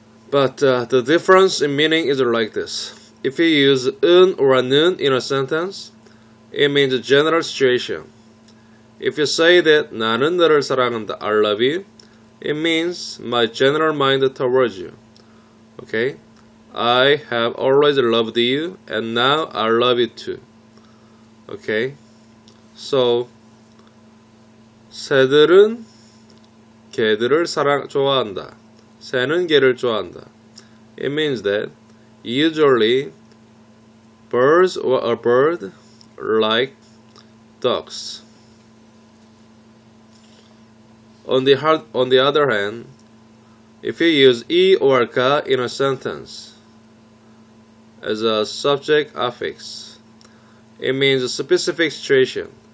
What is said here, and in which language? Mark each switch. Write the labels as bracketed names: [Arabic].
[English] But the difference in meaning is like this. If you use 은 or 는 in a sentence, it means a general situation. If you say that [Korean] 나는 너를 사랑한다, [English] I love you, it means my general mind towards you. Okay? I have always loved you and now I love you too. Okay? [Korean] So, 새들은 개들을 사랑 좋아한다. 새는 개를 좋아한다. [English] It means that usually birds or a bird like dogs. On the other hand, if you use 이 or 가 in a sentence as a subject affix, it means a specific situation.